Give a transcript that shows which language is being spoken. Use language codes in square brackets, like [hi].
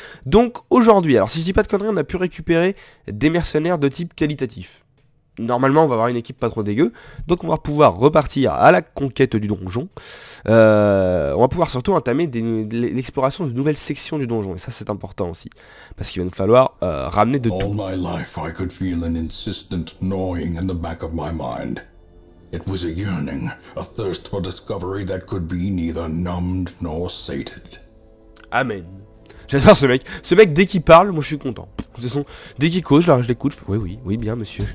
[fr] Donc aujourd'hui, alors si je dis pas de conneries, on a pu récupérer des mercenaires de type qualitatif. Normalement, on va avoir une équipe pas trop dégueu. Donc on va pouvoir repartir à la conquête du donjon. On va pouvoir surtout entamer l'exploration de nouvelles sections du donjon. Et ça, c'est important aussi. Parce qu'il va nous falloir ramener de [en] All [fr] tout. [en] My life, I could feel an insistent gnawing in the back of my mind. It was a yearning, a thirst for discovery that could be neither numbed nor sated. [fr] Amen. J'adore ce mec. Ce mec, dès qu'il parle, moi je suis content. De toute façon, dès qu'il cause, je l'écoute. Oui, oui, oui, bien, monsieur.